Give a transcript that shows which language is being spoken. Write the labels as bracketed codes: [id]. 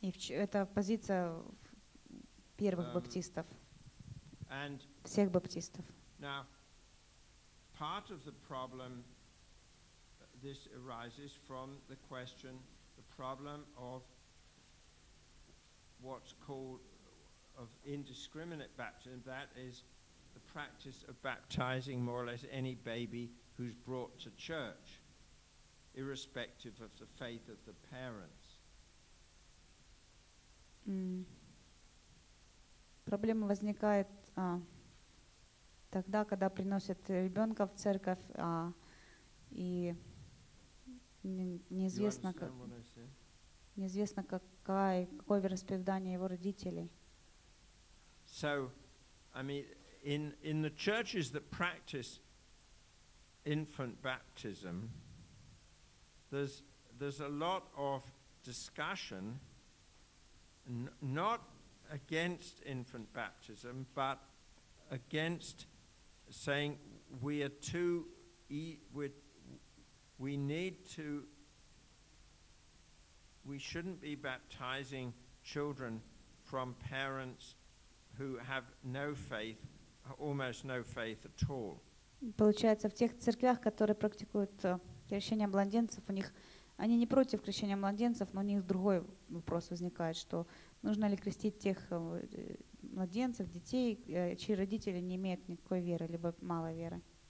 [ru] Это позиция первых баптистов, всех баптистов. [en] Now, part of the problem, this arises from the question, the problem of what's called of indiscriminate baptism, that is the practice of baptizing more or less any baby who's brought to church, irrespective of the faith of the parents. [ru] Проблема возникает тогда, когда приносят ребенка в церковь, и неизвестно, неизвестно какое вероисповедание его родителей. [en] So, I mean, in the churches that practice infant baptism, there's a lot of discussion, not against infant baptism, but against saying we are too we shouldn't be baptizing children from parents who have no faith, almost no faith at all. [ru] Получается, в тех церквях, которые практикуют крещение младенцев, у них они не против крещения младенцев, но у них другой вопрос возникает, что нужно ли крестить тех младенцев, детей, чьи родители не имеют никакой веры, либо мало веры.